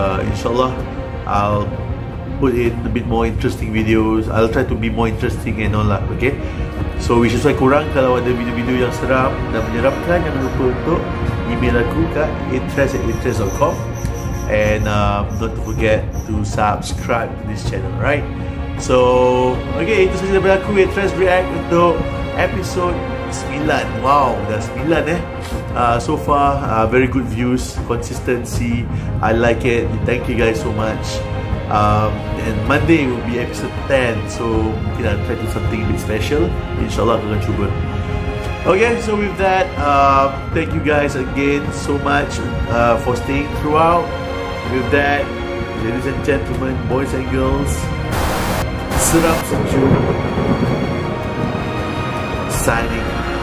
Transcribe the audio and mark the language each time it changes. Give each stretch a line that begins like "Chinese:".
English: Inshallah, I'll put in a bit more interesting videos. I'll try to be more interesting and all lah. Okay, so which is why
Malay: korang kalau ada video-video yang seram dan menyeramkan, jangan lupa untuk email aku kat interest@interest.com.
English: And don't forget to subscribe to this channel, right?
Malay: So okay, itu sahaja daripada aku, Atrez, react untuk episode 9.
English: Wow,
Malay: dah 9 eh.
English: So far, very good views, consistency, I like it. Thank you guys so much. And Monday will be episode 10, so mungkin I'll try to do something a bit special.
Malay: InsyaAllah aku akan cuba.
English: Okay, so with that, thank you guys again so much for staying throughout. With that, ladies and gentlemen, boys and girls, Seram Sejuk, signing out.